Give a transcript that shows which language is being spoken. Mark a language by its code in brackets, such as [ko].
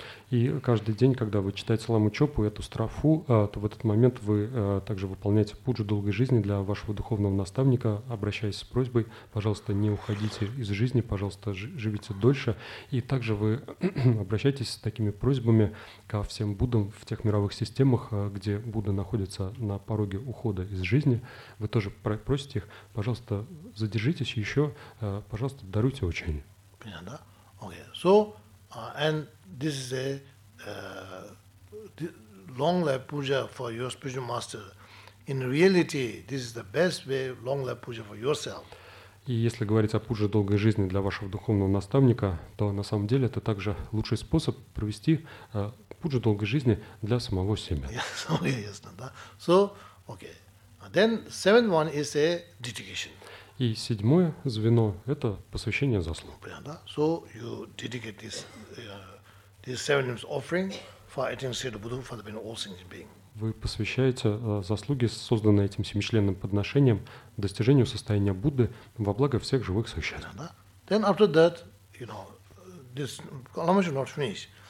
[ru] И каждый день, когда вы читаете ламу чопу эту страфу, то в этот момент вы также выполняете пуджу долгой жизни для вашего духовного наставника, обращаясь с просьбой, пожалуйста, не уходите из жизни, пожалуйста, живите дольше. И также вы обращаетесь с такими просьбами ко всем Буддам в тех мировых системах, где Будда находится на пороге ухода из жизни. Вы тоже просите их, пожалуйста, задержитесь еще, пожалуйста, даруйте учение. [en] Okay, so, and this is a long life puja for your spiritual master. In reality, this is the best way, long life puja for yourself. [ru] И если говорить о пудже долгой жизни для вашего духовного наставника, то на самом деле это также лучший способ провести пудже долгой жизни для самого себя. [en] Yes, okay, yes, [ru] да. [en] So, okay. Then, seventh one is a dedication. [ru] И седьмое звено – это посвящение заслуг. [en] So you dedicate this, this seven names offering for attaining Siddha Buddha for the benefit of all sentient beings. [ru] Вы посвящаете заслуги, созданные этим семичленным подношением, достижению состояния Будды во благо всех живых существ. [en] Then after that, you know, this Lama should not finish.